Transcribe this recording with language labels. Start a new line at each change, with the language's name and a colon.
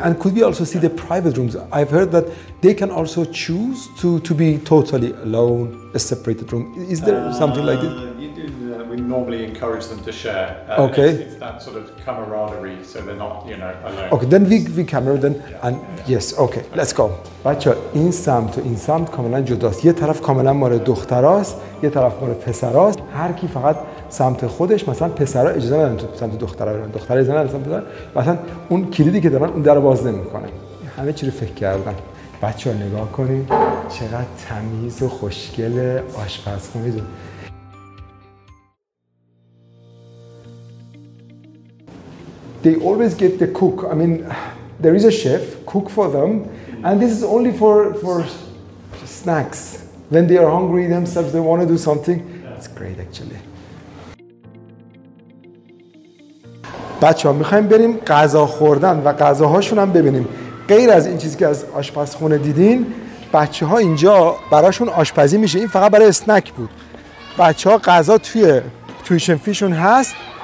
English: And could we also see the private rooms? I've heard that they can also choose to be totally alone, a separated room. Is there something like this? We normally encourage them to share. Okay. It's that sort of camaraderie, so they're not, you know, alone. Okay. Then we camera then and yes. Okay. Let's go.
Persian: بچه ها این سمت و این سمت کاملا جداست. یه طرف کاملا مال دختراست، یه طرف مال پسراست. هر کی فقط سمت خودش، مثلا پسرها اجازه ندارن تو سمت دخترا برن، دخترا اجازه ندارن سمت دختر. مثلا اون کلیدی که دارن اون درو باز نمی‌کنن. همه چی رو فکر کردن. بچه ها نگاه کنین چقدر تمیز و خوشگل آشپزخونه دون.
English: They always get the cook. I mean, there is a chef cook for them. And this is only for snacks. When they are hungry themselves, they want to do something. Yeah. It's great, actually.
Persian: بچه ها میخواییم بریم غذا خوردن و غذاهاشون هم ببینیم. غیر از این چیزی که از آشپزخونه دیدین، بچه ها اینجا براشون آشپزی میشه. این فقط برای سنک بود. بچه ها غذا توی تویشن فیشون هست.